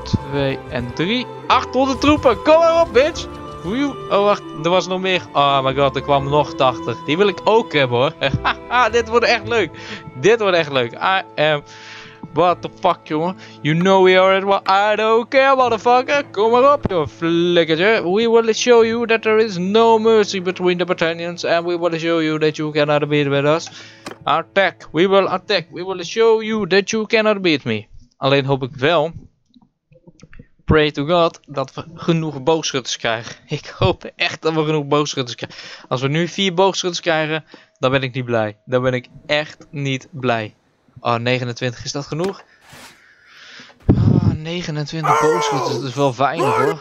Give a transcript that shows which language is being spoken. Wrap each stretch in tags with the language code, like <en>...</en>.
<nl>2 en 3. 800 troepen! Kom maar op, bitch! Oh, wacht. Er was nog meer.</nl> <en>Oh my god,</en> <nl>er kwam nog 80. Die wil ik ook hebben, hoor. Dit wordt echt leuk. Dit wordt echt leuk.</nl> <en>I am... What the fuck,</en> <nl>jongen?</nl> <en>You know we are at war. I don't care, motherfucker.</en> <nl>Kom maar op, joh, flikkertje.</nl> <en>We will show you that there is no mercy between the battalions. And we will show you that you cannot beat with us. Attack. We will attack. We will show you that you cannot beat me.</en> <nl>Alleen hoop ik wel</nl> <en>pray to God</en> <nl>dat we genoeg boogschutters krijgen. Ik hoop echt dat we genoeg boogschutters krijgen. Als we nu 4 boogschutters krijgen, dan ben ik niet blij. Dan ben ik echt niet blij. Oh, 29, is dat genoeg? Oh, 29 boogschutters, dat is wel weinig hoor.</nl>